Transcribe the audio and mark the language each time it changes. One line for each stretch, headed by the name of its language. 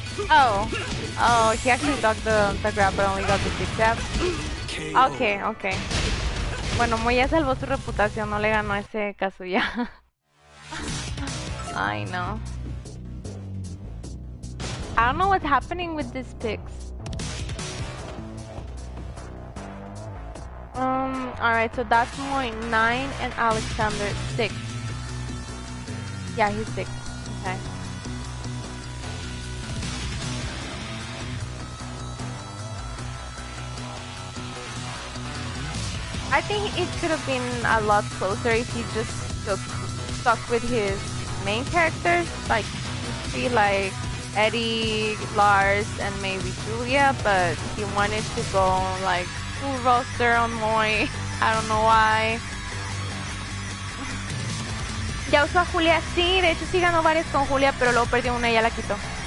English: Oh, he actually got the grab, but only got the kick tap. Okay.
Spanish: Bueno, Moya salvó su reputación, no le ganó ese Kasuya. Ay, no.
English: I don't know what's happening with these picks. Alright, so that's Moy 9 and Alexander 6. Yeah, he's 6. Okay. I think it could have been a lot closer if he just stuck with his main characters, like see, like Eddie, Lars, and maybe Julia, but he wanted to go like full roster on Moy. I don't know why. He
Spanish: Ya usó a Julia. Sí, de hecho sí ganó varias con Julia, pero luego perdió una y ya la quitó.